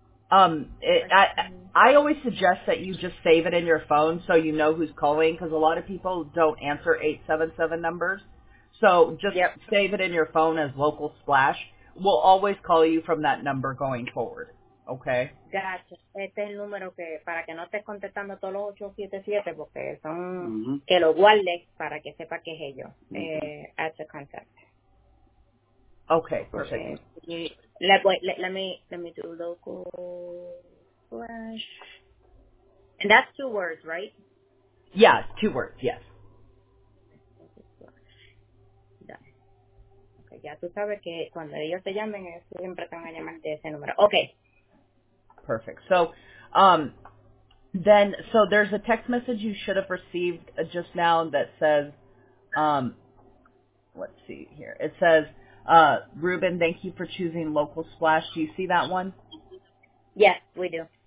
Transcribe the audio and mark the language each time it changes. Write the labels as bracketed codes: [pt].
[en] I always suggest that you just save it in your phone so you know who's calling, because a lot of people don't answer 877 numbers. So just save it in your phone as Local Splash. We'll always call you from that number going forward. Okay? Gotcha. [es] Este es el número que, para que no estés contestando todos los 877, porque son, mm-hmm. que lo guardes para que sepa que es ello. [en] Mm-hmm. As a contact. Okay, perfect. Let me do Local Splash. And that's two words, right? Yeah, two words, yes. [es] Ya tú sabes que cuando ellos te llamen, siempre te van a llamar de ese número. [en] Okay. Perfect. So, so there's a text message you should have received just now that says, let's see here. It says, Ruben, thank you for choosing Local Splash. Do you see that one? Yes, we do.